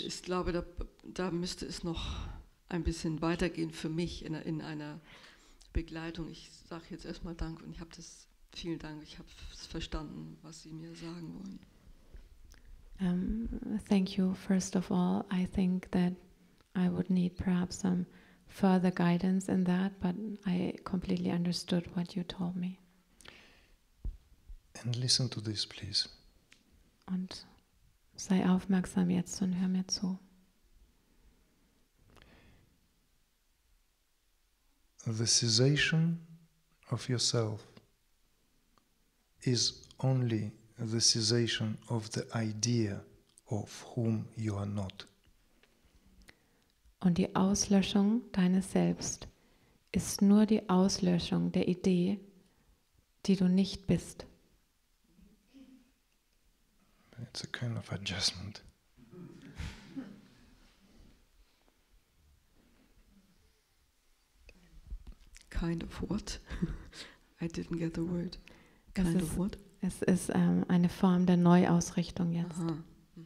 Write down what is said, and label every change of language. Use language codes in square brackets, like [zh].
[de] Ich glaube, da müsste es noch ein bisschen weitergehen für mich in einer Begleitung. Ich sage jetzt erstmal Dank und vielen Dank. Ich habe es verstanden, was Sie mir sagen wollen. [en] Thank you. First of all, I think that I would need perhaps some further guidance in that, but I completely understood what you told me. And listen to this, please. [de] Und sei aufmerksam jetzt und hör mir zu. [en] The cessation of yourself is only the cessation of the idea of whom you are not. [de] Und die Auslöschung deines Selbst ist nur die Auslöschung der Idee, die du nicht bist. [en] It's a kind of adjustment. Kind of what? I didn't get the word. Kind of what? [de] Es ist eine Form der Neuausrichtung jetzt. Aha.